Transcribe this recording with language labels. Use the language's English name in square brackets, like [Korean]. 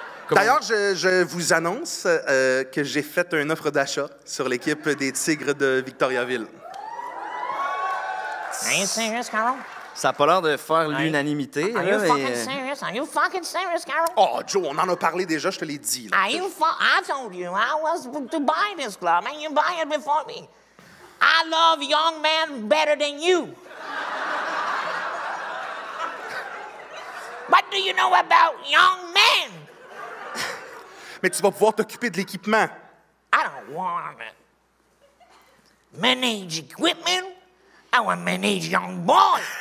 [French] D'ailleurs, je vous annonce que j'ai fait une offre d'achat sur l'équipe des Tigres de Victoriaville. [English] Are you serious, Carol? [French] Ça n'a pas l'air de faire l'unanimité. [English] Are you fucking serious, Carol? [French] Oh, Joe, on en a parlé déjà, je te l'ai dit. Là. [English] I told you I was to buy this club and you buy it before me. I love young men better than you. What do you know about young men? [French] Mais tu vas pouvoir t'occuper de l'équipement. [English] I don't want to manage equipment. I want to manage young boys.